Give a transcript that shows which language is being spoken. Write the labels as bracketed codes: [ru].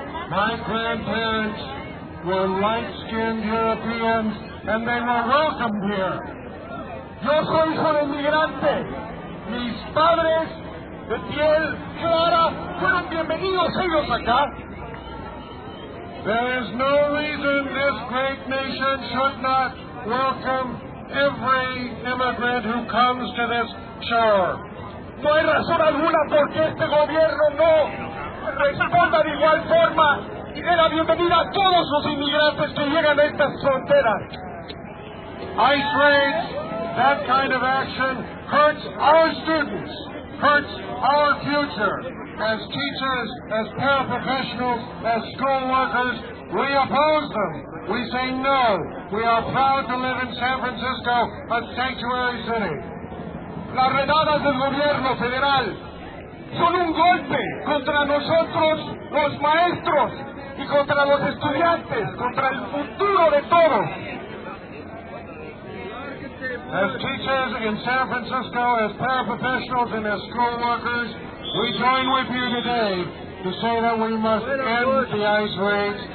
[en] My grandparents were light-skinned Europeans, and they were welcomed here. [es] Yo soy un inmigrante. Mis padres de piel clara fueron bienvenidos ellos acá. [en] There is no reason this great nation should not welcome every immigrant who comes to this shore. [es] No hay razón alguna por qué este gobierno no responda de igual forma y dé la bienvenida a todos los inmigrantes que llegan a estas fronteras. [en] ICE raids, that kind of action, hurts our students, hurts our future. As teachers, as paraprofessionals, as school workers, we oppose them. We say no. We are proud to live in San Francisco, a sanctuary city. [es] Las redadas del gobierno federal son un golpe contra nosotros, los maestros, y contra los estudiantes, contra el futuro de todos. [en] As teachers in San Francisco, as paraprofessionals and as school workers, we join with you today to say that we must end the ICE raids.